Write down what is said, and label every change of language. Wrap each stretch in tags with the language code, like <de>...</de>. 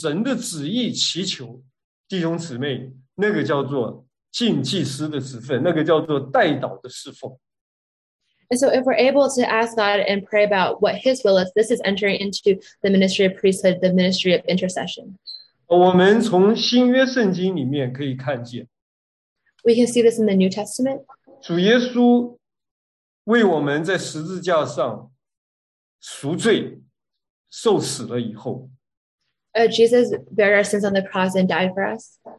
<zh>若是我们在祷告生活中,我们会来求问,会来照着神的旨意祈求,弟兄姊妹。那个叫做敬祭司的职分，那个叫做代祷的侍奉。</zh> <en>And so if we're able to ask God and pray about what his will is, this is entering into the ministry of priesthood, the ministry of intercession.</en> <zh>我们从新约圣经里面可以看见,</zh> <en>We can see this in the New Testament.</en> <zh>主耶稣为我们在十字架上赎罪,受死了以后,</zh> <en>Jesus bare our sins on the cross and died for us.</en>